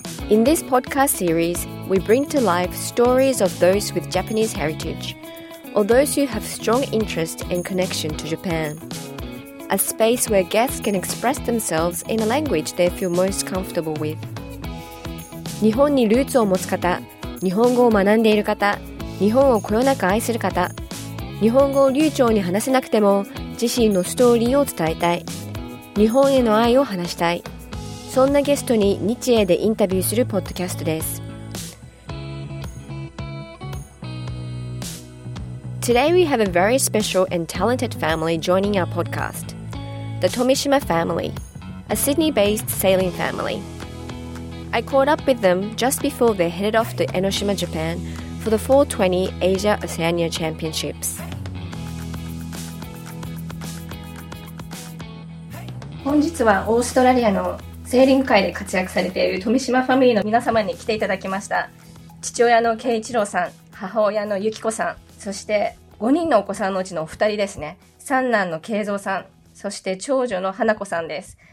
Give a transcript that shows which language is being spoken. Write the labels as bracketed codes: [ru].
[en] In this podcast series, we bring to life stories of those with Japanese heritage, or those who have strong interest and connection to Japan. A space where guests can express themselves in a language they feel most comfortable with. [ja] 日本にルーツを持つ方、日本語を学んでいる方、日本をこよなく愛する方、日本語を流暢に話せなくても自身のストーリーを伝えたい、日本への愛を話したい、そんなゲストに日英でインタビューするポッドキャストです。 [en] Today we have a very special and talented family joining our podcast, the Tomishima family, a Sydney-based sailing family. I caught up with them just before they headed off to Enoshima, Japan for the 420 Asia Oceania Championships. [ja] 本日はオーストラリアのセーリング界で活躍されている富島ファミリーの皆様に来ていただきました。父親の圭一郎さん、母親の幸子さん、そして5人のお子さんのうちのお二人ですね。三男の圭三さん、そして長女の花子さんです。